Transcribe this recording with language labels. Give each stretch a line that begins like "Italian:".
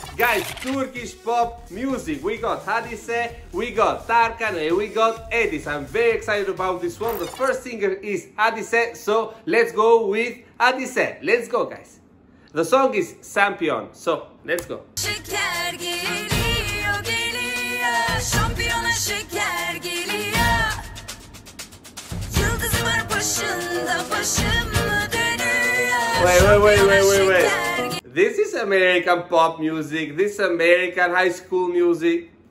English: Guys, Turkish pop music. We got Hadise, we got TARKAN and we got Edis. I'm very excited about this one. The first singer is Hadise, so let's go with Hadise. Let's go, guys. The song is Şampiyon, so let's go.
Turkish: Şeker geliyor, geliyor. Şampiyona şeker geliyor. Yıldız var başında, başım mı dönüyor?
English: Wait. This is American pop music. This is American high school music.